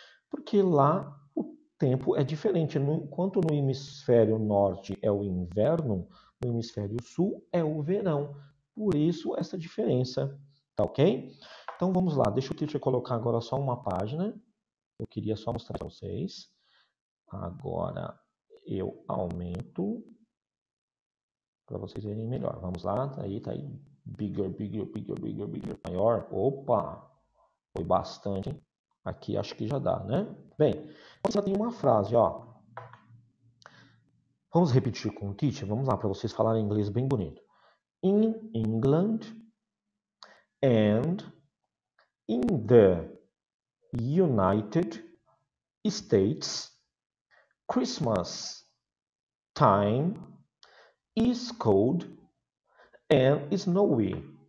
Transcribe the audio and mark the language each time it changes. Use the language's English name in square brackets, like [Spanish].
[Portuguese] Porque lá tempo é diferente. Enquanto no hemisfério norte é o inverno, no hemisfério sul é o verão. Por isso essa diferença, tá ok? Então vamos lá, deixa eu te colocar agora só uma página. Eu queria só mostrar para vocês. Agora eu aumento para vocês verem melhor. Vamos lá, tá aí. [English] Bigger, bigger, bigger, bigger, bigger, maior. [Portuguese] Opa! Foi bastante, hein? Aqui acho que já dá, né? Bem, você já tem uma frase, ó. Vamos repetir com o teacher? Vamos lá, para vocês falarem inglês bem bonito. [English] In England and in the United States, Christmas time is cold and snowy.